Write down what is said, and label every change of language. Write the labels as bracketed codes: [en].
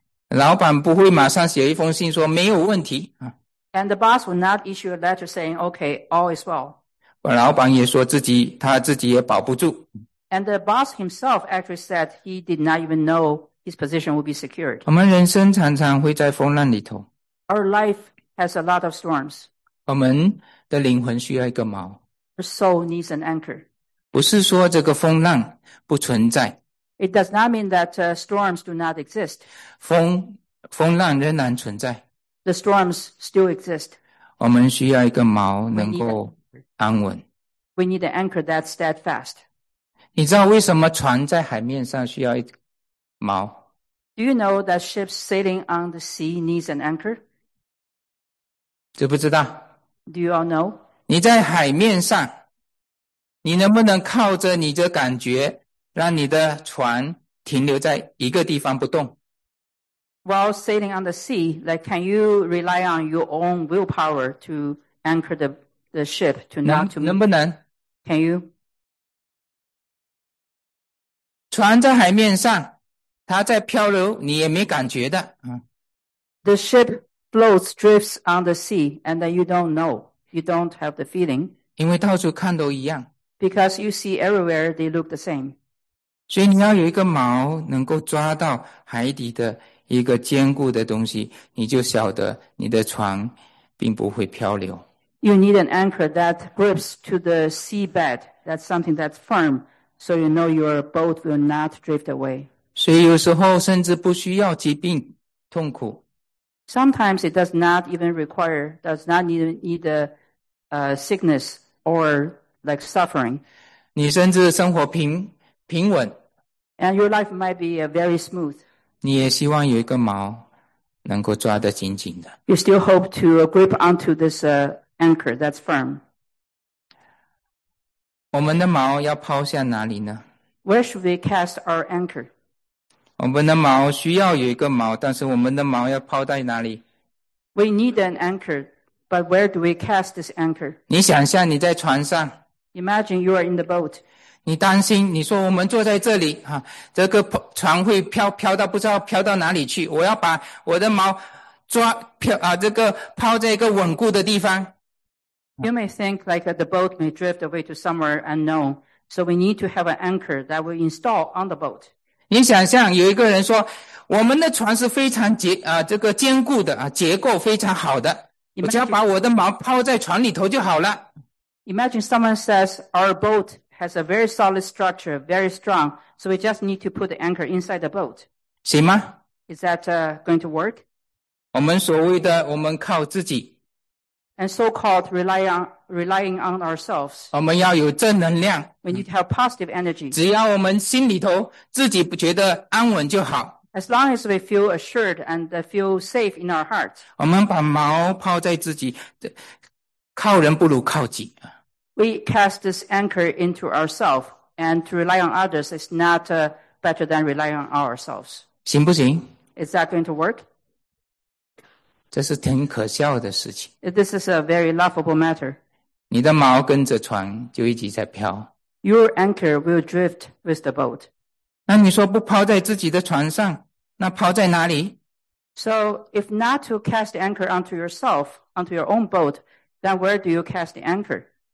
[zh] 老板不会马上写一封信说没有问题。 [en] And the boss would not issue a letter saying, okay, all is well. [zh] 老板也说他自己也保不住。 [en] And the boss himself actually said he did not even know his position would be secured. [zh] 我们人生常常会在风浪里头。 [en] Our life has a lot of storms. [zh] 我们的灵魂需要一个锚。 [en] Our soul needs an anchor. [zh] 不是说这个风浪不存在。 [en] It does not mean that storms do not exist. [zh] 风浪仍然存在。 [en] The storms still exist. [zh] 我们需要一个锚能够安稳。 [en] We need an anchor that's steadfast. [zh] 你知道为什么船在海面上需要一个锚？ [en] Do you know that ships sailing on the sea needs an anchor? [zh] 知不知道？ [en] Do you all know? [zh] 你在海面上，你能不能靠着你的感觉，让你的船停留在一个地方不动？ [en] While sailing on the sea, like, can you rely on your own willpower to anchor the ship to not to move? [zh] 能不能？ [en] Can you? [zh] 船在海面上，它在漂流，你也没感觉的。 [en] The ship... floats, drifts on the sea, and then you don't know. You don't have the feeling. [zh] 因为到处看都一样。 [en] Because you see everywhere, they look the same. [zh] 所以你要有一个锚能够抓到海底的一个坚固的东西，你就晓得你的船并不会漂流。 [en] You need an anchor that grips to the seabed. That's something that's firm, so you know your boat will not drift away. [zh] 所以有时候甚至不需要疾病、痛苦。 [en] Sometimes it does not even require, does not need a sickness or like suffering. [zh] 你甚至生活平稳。 [en] And your life might be very smooth. [zh] 你也希望有一个锚能够抓得紧紧的。 [en] You still hope to grip onto this anchor that's firm. [zh] 我们的锚要抛向哪里呢？ [en] Where should we cast our anchor? [zh] 我们的锚需要有一个锚，但是我们的锚要抛在哪里？ [en] We need an anchor, but where do we cast this anchor? [zh] 你想象你在船上。 [en] Imagine you are in the boat. [zh] 你担心，你说我们坐在这里，啊，这个船会飘到不知道飘到哪里去。我要把我的锚抓飘啊，这个抛在一个稳固的地方。 [en] You may think like the boat may drift away to somewhere unknown, so we need to have an anchor that we install on the boat. [zh] 你想象有一个人说，我们的船是非常这个坚固的啊，结构非常好的，我只要把我的锚抛在船里头就好了。 [en] Imagine someone says our boat has a very solid structure, very strong, so we just need to put the anchor inside the boat. [zh] 行吗？ [en] Is that going to work? [zh] 我们所谓的我们靠自己。 [en] And so-called relying on ourselves. [zh] 我们要有正能量。 [en] We need to have positive energy. [zh] 只要我们心里头自己觉得安稳就好。 [en] As long as we feel assured and feel safe in our hearts. [zh] 我们把锚抛在自己，靠人不如靠己。 [en] We cast this anchor into ourselves, and to rely on others is not better than relying on ourselves. [zh] 行不行？ [en] Is that going to work? [zh] 这是挺可笑的事情。 [en] This is a very laughable matter. [zh] 你的锚跟着船就一直在飘。 [en] Your anchor will drift with the boat. [zh] 那你说不抛在自己的船上，那抛在哪里？ [en] So if not to cast anchor onto yourself, onto your own boat, then where do you cast the anchor?